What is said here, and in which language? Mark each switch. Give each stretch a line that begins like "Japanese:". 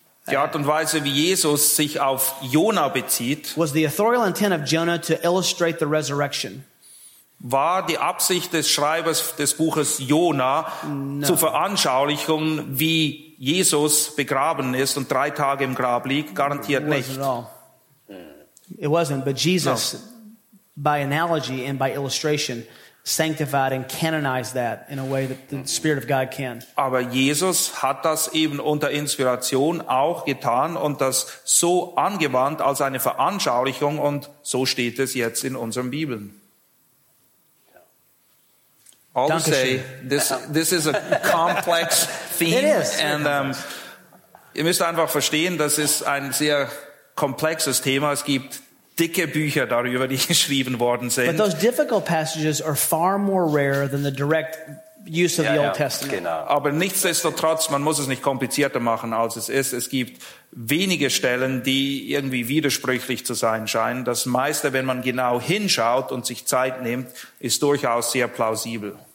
German: Die Art und Weise, wie Jesus sich auf Jonah bezieht,
English: was the authorial intent of Jonah to illustrate the resurrection.
German: War die Absicht des Schreibers des Buches Jonah zu veranschaulichen, wie Jesus begraben ist und drei Tage im Grab liegt, garantiert nicht.
English: It wasn't, but Jesus, by analogy and by illustration, sanctified and canonized that in a way that the Spirit of God can.
German: Aber Jesus hat das eben unter Inspiration auch getan und das so angewandt als eine Veranschaulichung und so steht es jetzt in unseren Bibeln.
English: I'll say this is a complex theme. It is.
German: And ihr müsst einfach verstehen, das ist ein sehr komplexes Thema. Es gibt dicke Bücher darüber, die geschrieben worden sind.
English: But those difficult passages are far more rare than the direct use of the Old Testament.
German: Genau. Aber nichtsdestotrotz, man muss es nicht komplizierter machen, als es ist. Es gibt wenige Stellen, die irgendwie widersprüchlich zu sein scheinen. Das meiste, wenn man genau hinschaut und sich Zeit nimmt, ist durchaus sehr plausibel.